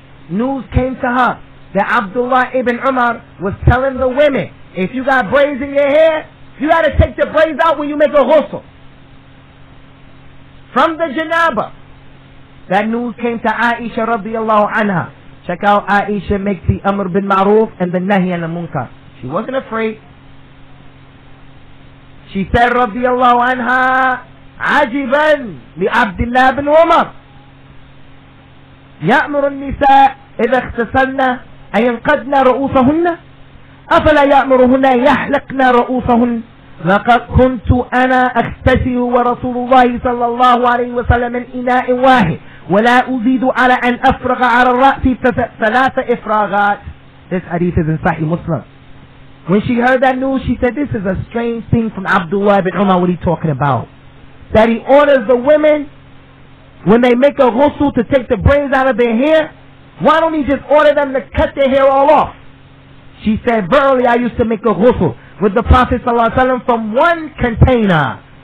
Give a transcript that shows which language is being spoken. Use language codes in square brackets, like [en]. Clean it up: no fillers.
[en] News came to her that Abdullah ibn Umar was telling the women, if you got braids in your hair, you got to take the braids out when you make a ghusl. From the janaba. That news came to Aisha radiallahu anha. Check out Aisha makes the Amr bin Ma'ruf and the Nahi and the Munkar. She wasn't afraid. She said, [ar] رضي الله عنها عجبا لعبد الله بن عمر يأمر النساء إذا اختسلنا أن ينقذن رؤوسهن أفلا يأمرهن يحلقن رؤوسهن لقد كنت أنا أختسل ورسول الله صلى الله عليه وسلم إناء واحد ولا أزيد على أن أفرغ على الرأس ثلاث إفراغات. [en] This hadith is in Sahih Muslim. When she heard that news, she said, this is a strange thing from Abdullah ibn Umar. What are you talking about? That he orders the women, when they make a ghusl, to take the braids out of their hair? Why don't he just order them to cut their hair all off? She said, verily, I used to make a ghusl with the Prophet sallallahu alaihi wasallam from one container.